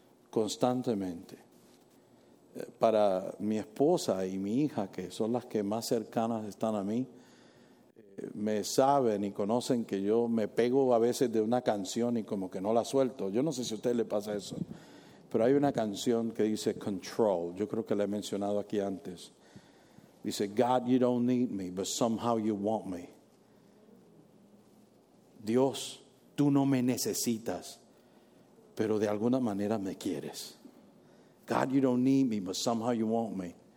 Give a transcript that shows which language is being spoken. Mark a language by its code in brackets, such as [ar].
[es] Constantemente. Para mi esposa y mi hija, que son las que más cercanas están a mí, me saben y conocen que yo me pego a veces de una canción y como que no la suelto. Yo no sé si a usted le pasa eso, pero hay una canción que dice Control. Yo creo que la he mencionado aquí antes. [en] Dice: God, you don't need me, but somehow you want me. [es] Dios, tú no me necesitas, pero de alguna manera me quieres. [en] God, you don't need me, but somehow you want me.